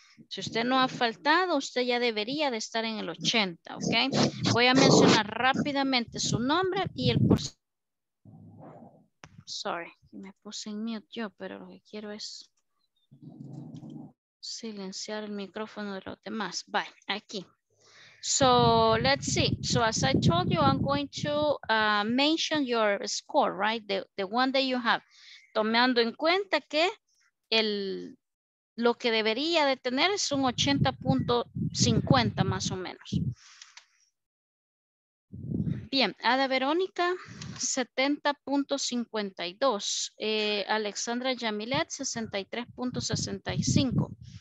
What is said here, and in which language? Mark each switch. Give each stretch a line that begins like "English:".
Spanish: Si usted no ha faltado, usted ya debería de estar en el 80, ¿ok? Voy a mencionar rápidamente su nombre y el porcentaje. Sorry, me puse en mute yo, pero lo que quiero es silenciar el micrófono de los demás.
English: Bye,
Spanish: aquí.
English: So, let's see. So, as I told you, I'm going to mention your score, right? The one that you have.
Spanish: Tomando en cuenta que el... Lo que debería de tener es un 80.50 más o menos. Bien, Ada Verónica, 70.52. Alexandra Yamilet, 63.65.